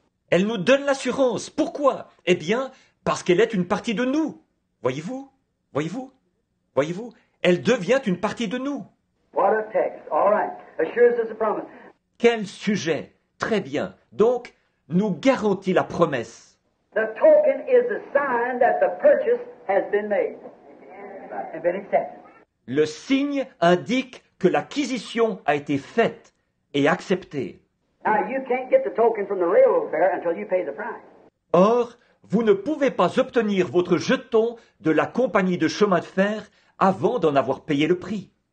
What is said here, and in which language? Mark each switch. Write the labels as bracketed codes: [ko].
[fr] Elle nous donne l'assurance. Pourquoi? Eh bien, parce qu'elle est une partie de nous. Voyez-vous? Voyez-vous? Voyez-vous? Elle devient une partie de nous. [en] What a text. All right. Assures us a promise. [fr] Quel sujet. Très bien. Donc, nous garantit la promesse. [en] The token is a sign that the purchase has been made. And been accepted. [fr] Le signe indique que l'acquisition a été faite et acceptée. [en] Now, you can't get the token from the railroad fare until you pay the price. [fr] Or, vous ne pouvez pas obtenir votre jeton de la compagnie de chemin de fer avant d'en avoir payé le prix.